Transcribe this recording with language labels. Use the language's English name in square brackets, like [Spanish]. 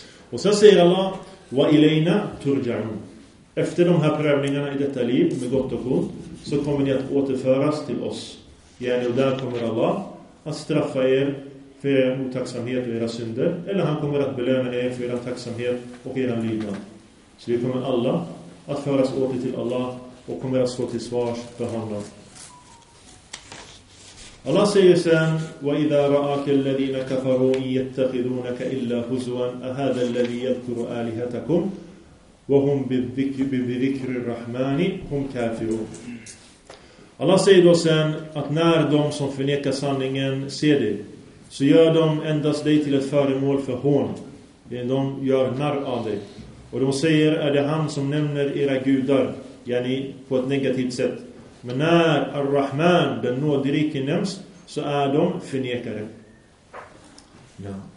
[Swedish] Och sen säger Allah, [Arabic] wa ilayna turja'un. [Swedish] Efter de här prövningarna i detta liv, med gott och ont, så kommer ni att återföras till oss. Yani, och där kommer Allah att straffa er för er otacksamhet och era synder. Eller han kommer att belöna er för er tacksamhet och era lydnad. Så vi kommer alla att föras åter till Allah och kommer att stå till svars för honom. Allah säger sen, [Arabic] وَإِذَا رَآكَ الَّذِينَ كَفَرُوا إِنْ يَتَّخِذُونَكَ إِلَّا هُزُوًا أَهَذَا الَّذِي يَذْكُرُ آلِهَتَكُمْ وَهُمْ بِذِكْرِ الرَّحْمَانِ هُمْ كَافِرُونَ. [Swedish] Allah säger då sen att när de som förnekar sanningen ser dig, så gör de endast dig till ett föremål för hån. De gör narr av dig. Och de säger, är det han som nämner era gudar, yani på ett negativt sätt. Men när Ar-Rahman, den nådrike, nämns, så är de förnekare. Ja.